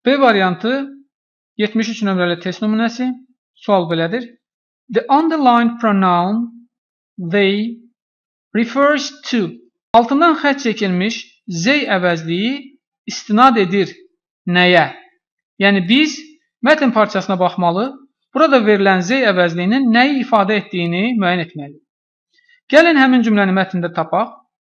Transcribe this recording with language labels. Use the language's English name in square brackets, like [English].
[Azerbaijani] B variantı 73 nömrəli test nümunəsi. Sual belədir. [English] The underlined pronoun they refers to. [Azerbaijani] Altından xətt çəkilmiş they əvəzliyi istinad edir nəyə? Yəni biz mətn parçasına baxmalı, burada verilən they əvəzliyinin nəyi ifadə etdiyini müəyyən etməliyik. Gəlin həmin cümləni mətndə tapaq.